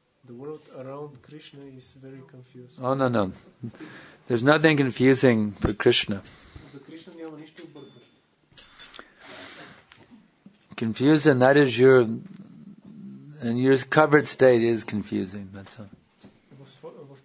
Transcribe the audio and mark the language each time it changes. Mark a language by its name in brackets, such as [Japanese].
[English] The world around Krishna is very confused. Oh, no. There's nothing confusing for Krishna. [Bulgarian] За Кришна няма нищо объркващо. [English] Confusion, that is your... And your covered state is confusing, that's all.